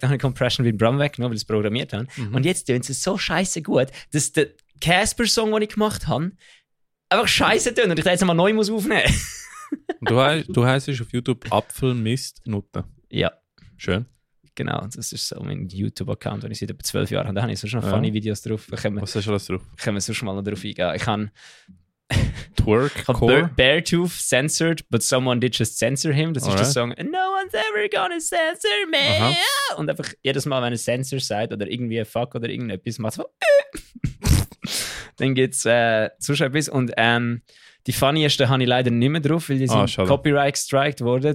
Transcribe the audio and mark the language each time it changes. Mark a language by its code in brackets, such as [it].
[de] Dann habe ich Compression beim Drum weg, nur weil ich es programmiert habe. Mhm. Und jetzt tönt es so scheiße gut, dass der Casper-Song, den ich gemacht habe, einfach scheiße tun und ich jetzt mal neu muss aufnehmen. du heisst auf YouTube Apfelmistnutte. Ja. Schön. Genau, das ist so mein YouTube-Account, den ich seit etwa 12 Jahren habe. Da habe ich so schon funny Videos drauf. Was hast du alles drauf? Können wir sonst mal noch drauf eingehen. Ich habe Twerk, Core. [en] Beartooth censored, but someone did just censor him. [de] Das ist der Song No one's ever gonna censor me. Aha. Und einfach jedes Mal, wenn ein Censor sagt oder irgendwie ein Fuck oder irgendetwas, macht es so. Dann gibt es zuschauer etwas. Und die funniesten habe ich leider nicht mehr drauf, weil die sind copyright gestrikt worden.